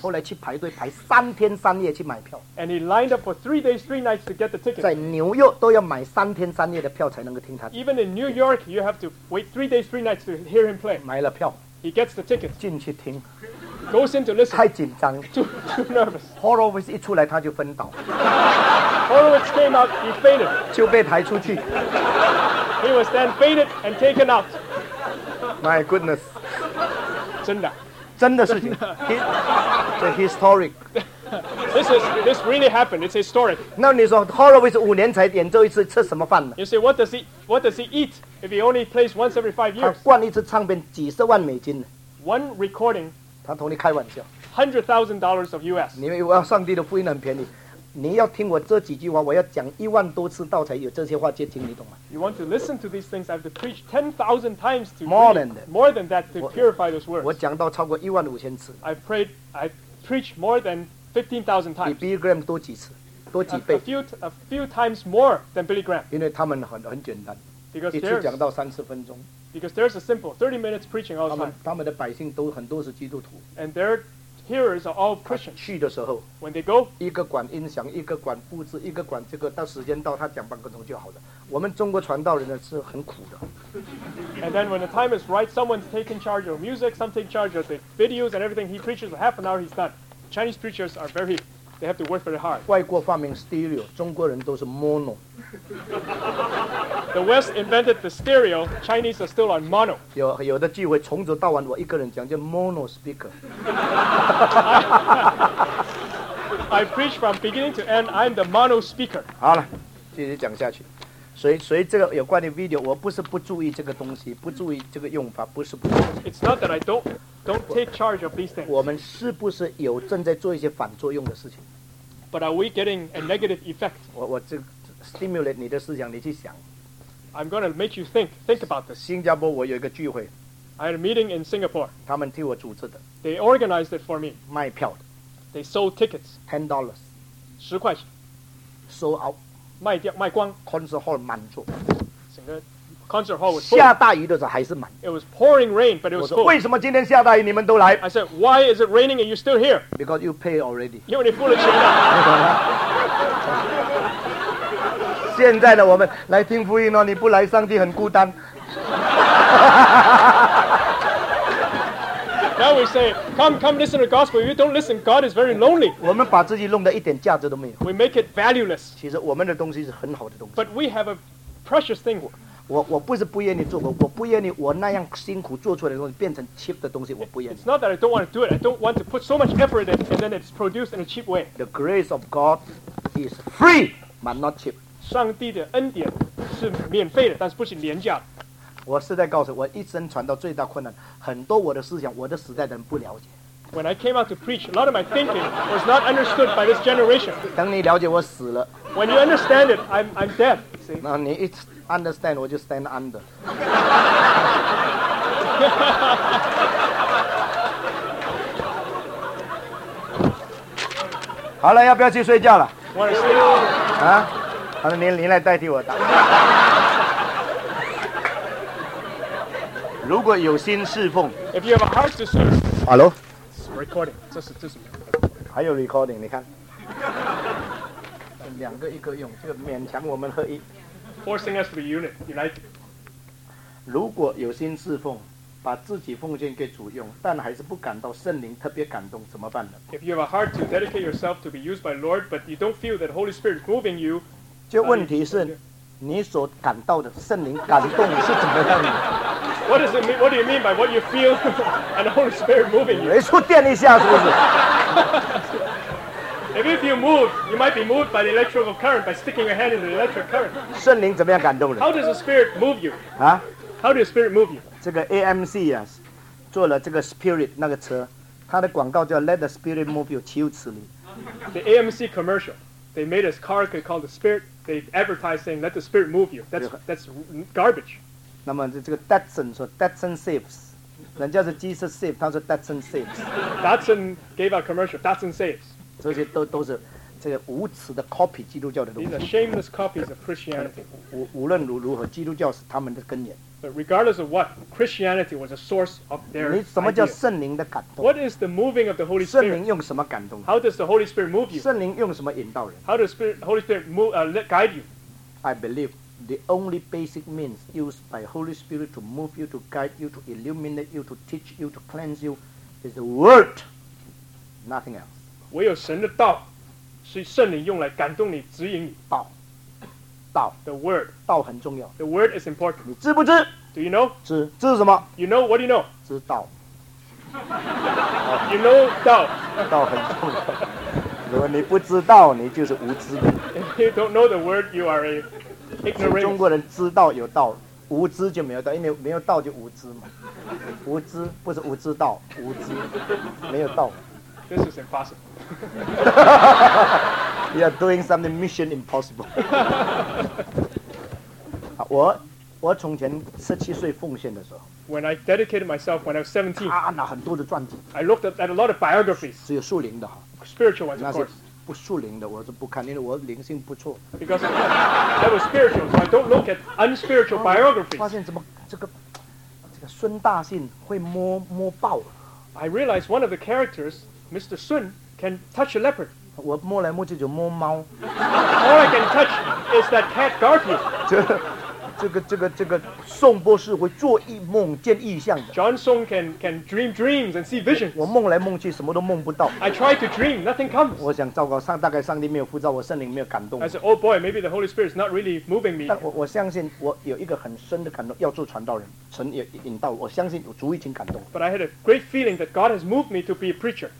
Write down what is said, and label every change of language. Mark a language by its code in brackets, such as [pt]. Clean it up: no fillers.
[zh] 后来去排队排3天3夜去买票。 [en] And he lined up for 3 days, 3 nights to get the ticket. [zh] 在纽约都要买3天3夜的票才能够听他。 [en] Even in New York, you have to wait 3 days, 3 nights to hear him play. [zh] 买了票。 [en] He gets the ticket. [zh] 进去听。 [en] Goes in to listen. [zh] 太紧张。 [en] Too nervous. [zh] Horowitz 一出来他就昏倒。 [en] Horowitz came out, he fainted. [zh] 就被抬出去。 [en] He was then fainted and taken out. My goodness. [zh] 真的。真的事情。 [en] The historic. This really happened, it's historic. [zh] 那你说 Horowitz 五年才演奏一次吃什么饭呢 [en] You say, what does he eat if he only plays once every 5 years? [zh] 他灌一次唱片几十万美金。 [en] One recording. [zh] 他同你开玩笑。 [en] $100,000 of US. [zh] 你以为上帝的福音很便宜。你要听我这几句话，我要讲10,000多次道才有这些话接听，你懂吗 [en] ？You want to listen to these things? I have to preach 10,000 times to more than that. More than that to purify those words. [zh] 我讲到超过15,000次。 [en] I preached more than 15,000 times. [zh] 比 Bill Graham 多几次多几倍 [en] a few times more than Billy Graham. [zh] 因为他们很简单，一次讲到三十分钟。 [en] Because there's a simple 30 minutes preaching all the time. [zh] 他们的百姓都很多是基督徒。 [en] And their hearers are all Christians. [zh] 去的时候 [en] ，when they go， [zh] 一个管音响，一个管布置，一个管这个，到时间到他讲半个钟就好了。我们中国传道人呢是很苦的。 [en] And then when the time is right, someone's taking charge of music, some take charge of the videos and everything. He preaches a half an hour, he's done. Chinese preachers are very They have to work very hard. [zh] 外国发明 stereo， 中国人都是 mono。 [en] The West invented the stereo, Chinese are still on mono. [zh] 有的聚会从早到晚我一个人讲叫 mono speaker。 [en] I preach from beginning to end, I'm the mono speaker. [zh] 好了，继续讲下去。所以这个有关的 video， 我不是不注意这个东西，不注意这个用法，不是不注意。 [en] It's not that I don't take charge of these things. [zh] 我们是不是有正在做一些反作用的事情？ [en] But are we getting a negative effect? [zh] 我这 stimulate 你的思想，你去想。 [en] I'm going to make you think about this. [zh] 新加坡我有一个聚会。 [en] I had a meeting in Singapore. [zh] 他们替我组织的。 [en] They organized it for me. [zh] 卖票的。 [en] They sold tickets. $10. [zh] 十块钱。 [en] Sold out. [zh] 卖掉卖光。 Concert hall 满座。整个 [en] concert hall was full. [zh] 下大雨的时候还是满。 [en] It was pouring rain, but it was full. [zh] 我说为什么今天下大雨你们都来 [en] ？I said, why is it raining and you're still here? Because you pay already. [zh] 因为你付了钱了。现在的我们来听福音哦，你不来上帝很孤单。 [en] Now we say, come listen to gospel. If you don't listen, God is very lonely. [zh] 我们把自己弄得一点价值都没有。 [en] We make it valueless. [zh] 其实我们的东西是很好的东西。 [en] But we have a precious thing. [zh] 我不是不愿意做，我不愿意我那样辛苦做出来的东西变成 cheap 的东西，我不愿意。 [en] It's not that I don't want to do it. I don't want to put so much effort in it and then it's produced in a cheap way. The grace of God is free, but not cheap. [zh] 上帝的恩典是免费的，但是不是廉价的。我是在告诉我一生传道最大困难，很多我的思想，我的时代的人不了解。 [en] When I came out to preach, a lot of my thinking was not understood by this generation. [zh] 等你了解我死了。 [en] When you understand it, I'm dead. See? [zh] 那你一 [en] understand, [zh] 我就 [en] stand under. [zh] 好了，要不要去睡觉了？我睡了。啊？好了，您来代替我打。如果有心侍奉 [en] ，If you have a heart to serve， Hello， [zh] recording， 这是，还有 recording， 你看，两个一个用，这个勉强我们合一 [en] ，forcing us to be unit， united。 [zh] 如果有心侍奉，把自己奉献给主用，但还是不感到圣灵特别感动，怎么办呢 [en] ？If you have a heart to dedicate yourself to be used by the Lord， but you don't feel that Holy Spirit is moving you， [zh] 这问题是。你所感到的圣灵感动是怎么样的 [en] ？What does it mean? What do you mean by what you feel and the Holy Spirit moving you? [zh] 没触电一下是不是 [en] ？If you move, you might be moved by the electrical current by sticking your hand in the electric current. [zh] 圣灵怎么样感动的 [en] ？How does the Spirit move you? 啊？How does the Spirit move you? [zh] 这个 AMC 啊，做了这个 Spirit 那个车，它的广告叫 [en] Let the Spirit move you， [zh] 岂有此理 [en] ？The AMC commercial. They made a car called the Spirit. They advertise saying, let the spirit move you. That's garbage. [zh] 那么这个 Datsun 说 [en] Datsun saves. [zh] 人家是 [en] Jesus saves, [zh] 他说 [en] Datsun saves. Datsun gave a commercial, Datsun saves. [zh] 这些都是这个无耻的 copy 基督教的东西。 [en] These are shameless copies of Christianity. [zh] 无论如何基督教是他们的根源。 [en] But regardless of what, Christianity was a source of their idea. [zh] 你什么叫圣灵的感动 [en] ？What is the moving of the Holy Spirit? [zh] 圣灵用什么感动 [en] ？How does the Holy Spirit move you? [zh] 圣灵用什么引导人 [en] ？How does Holy Spirit guide you? I believe the only basic means used by Holy Spirit to move you, to guide you, to illuminate you, to teach you, to cleanse you, is the Word. Nothing else. [zh] 唯有神的道是圣灵用来感动你、指引你。道。道 [en] the word [zh] 道很重要 [en] the word is important [zh] 你知不知 [en] do you know [zh] 知是什么 [en] you know what do you know [zh] 知道 [en] you know 道 [zh] 道很重要如果你不知道你就是无知的 [en] if you don't know the word you are an ignorant [zh] 中国人知道有道无知就没有道因为没有道就无知嘛无知不是无知道无知没有道 [en] this is impossible You are doing something mission impossible. [zh] 我从前十七岁奉献的时候 [en] ，When I dedicated myself when I was 17, [zh] 那很多的传记 [en] ，I looked at a lot of biographies. [zh] 只有树林的哈 [en] ，Spiritual ones, of course. [zh] 那不属灵的，我是不看，因为我灵性不错。 [en] Because that was spiritual, so I don't look at unspiritual biographies. [zh] 发现怎么这个孙大信会摸爆 [en] 了。I realized one of the characters, Mr. Sun, can touch a leopard. [zh] 我摸来摸去就摸猫。 [en] All I can touch is that cat Garfield. [zh] 这个宋博士会做一梦见异象的。 [en] John Song can dream dreams and see visions. [zh] 我梦来梦去什么都梦不到。 [en] I try to dream, nothing comes. [zh] 我想糟糕，大概上帝没有呼召我，圣灵没有感动。 [en] I said, oh boy, maybe the Holy Spirit is not really moving me. [zh] 但我相信我有一个很深的感动，要做传道人，神也引导我相信主已经感动。 [en] But I had a great feeling that God has moved me to be a preacher.